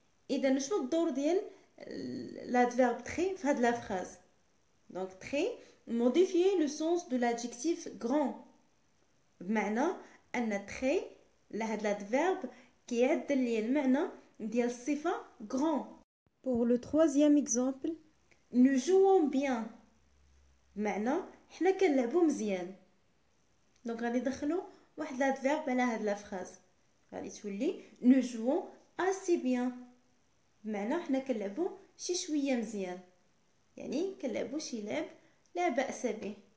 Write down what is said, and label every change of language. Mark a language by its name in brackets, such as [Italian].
[Arabic] اذا شنو الدور ديال لادفيرب تري في هاد لا فراز؟ دونك تري موديفيي لو سونس دو لادجيكتيف grand، بمعنى ان تري لهاد لادفيرب كيعدل ليا المعنى ديال الصفه grand. [French] Pour le troisième exemple nous jouons bien، [Arabic] بمعنى حنا كنلعبو مزيان. دونك غادي ندخلو واحد لادفيرب على هاد لا فراز غادي تولي [French] نو جوون اسي بيان، [Arabic] بمعنى حنا كنلعبو شي شويه مزيان، يعني كنلعبو شي لعب لا باس به.